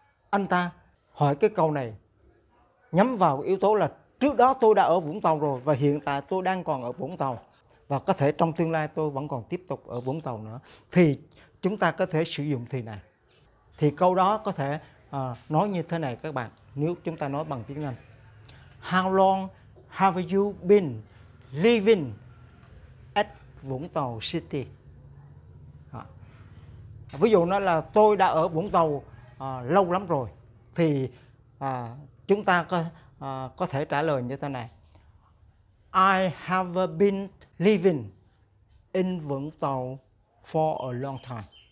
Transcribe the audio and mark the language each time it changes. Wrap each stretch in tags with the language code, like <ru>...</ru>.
<vi>Anh ta hỏi cái câu này nhắm vào yếu tố là trước đó tôi đã ở Vũng Tàu rồi và hiện tại tôi đang còn ở Vũng Tàu. Và có thể trong tương lai tôi vẫn còn tiếp tục ở Vũng Tàu nữa. Thì chúng ta có thể sử dụng thì này. Thì câu đó có thể nói như thế này các bạn. Nếu chúng ta nói bằng tiếng Anh.</vi> <en>How long have you been living at Vũng Tàu City?</en> <vi>Ví dụ nó là tôi đã ở Vũng Tàu lâu lắm rồi. Thì chúng ta có thể trả lời như thế này.</vi> <en>I have been living in Vũng Tàu for a long time.</en>